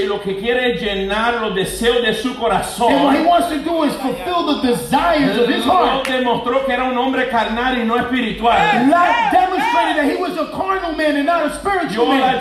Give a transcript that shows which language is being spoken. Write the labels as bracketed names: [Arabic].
[Spanish] Y lo que quiere es llenar los deseos de su corazón. [English] And what he wants to do is fulfill the desires of his heart. [Spanish] Lot demostró que era un hombre carnal y no espiritual. [English] Lot demonstrated that he was a carnal man and not a spiritual man.